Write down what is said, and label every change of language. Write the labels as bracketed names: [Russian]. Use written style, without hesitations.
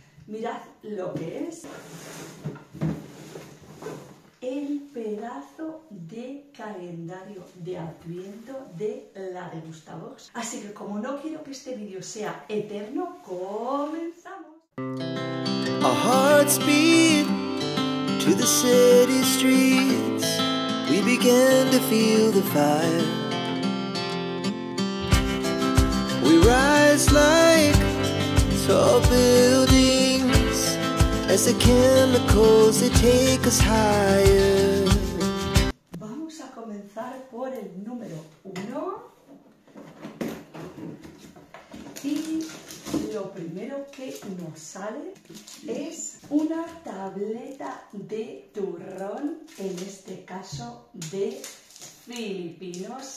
[Spanish] Mirad lo que es. El pedazo de calendario de Adviento de la Degustabox. Así que como no quiero que este vídeo sea eterno, comenzamos. [English] A heart speed. To the city streets, we began to feel the fire. We rise like tall buildings as the chemicals they take us higher. [Spanish] Vamos a comenzar por el número uno. Y lo primero que nos sale es una tableta de turrón, en este caso de filipinos.